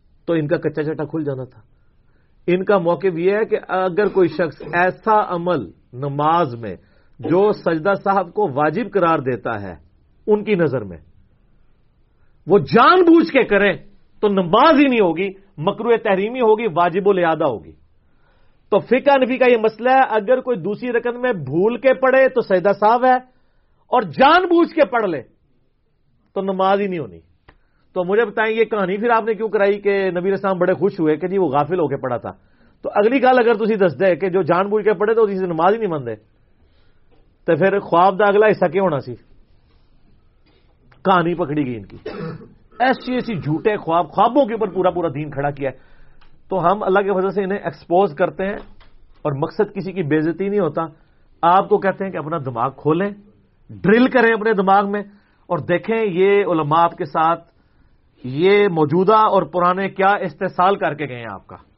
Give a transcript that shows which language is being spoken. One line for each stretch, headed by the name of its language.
Urdu: تو ان کا کچا چٹا کھل جانا تھا. ان کا موقف یہ ہے کہ اگر کوئی شخص ایسا عمل نماز میں جو سجدہ صاحب کو واجب قرار دیتا ہے ان کی نظر میں وہ جان بوجھ کے کریں تو نماز ہی نہیں ہوگی, مکروہ تحریمی ہوگی, واجب و لیادہ ہوگی. تو فقہ نفی کا یہ مسئلہ ہے, اگر کوئی دوسری رکعت میں بھول کے پڑھے تو سجدہ صاحب ہے, اور جان بوجھ کے پڑھ لے تو نماز ہی نہیں ہونی. تو مجھے بتائیں یہ کہانی پھر آپ نے کیوں کرائی کہ نبی علیہ السلام بڑے خوش ہوئے کہ جی وہ غافل ہو کے پڑھا تھا.
Punjabi: تو اگلی گل اگر تسی دس دے کہ جو جان بوجھ کے پڑھے تو اسی سے نماز ہی نہیں مندے, تو پھر خواب دا اگلا حصہ کیوں ہونا سی؟
Urdu: کہانی پکڑی گئی ان کی. ایسی ایسی جھوٹے خواب, خوابوں کے اوپر پورا پورا دین کھڑا کیا ہے. تو ہم اللہ کے فضل سے انہیں ایکسپوز کرتے ہیں, اور مقصد کسی کی بےعزتی نہیں ہوتا. آپ کو کہتے ہیں کہ اپنا دماغ کھولیں, ڈرل کریں اپنے دماغ میں, اور دیکھیں یہ علماء آپ کے ساتھ یہ موجودہ اور پرانے کیا استحصال کر کے گئے ہیں آپ کا.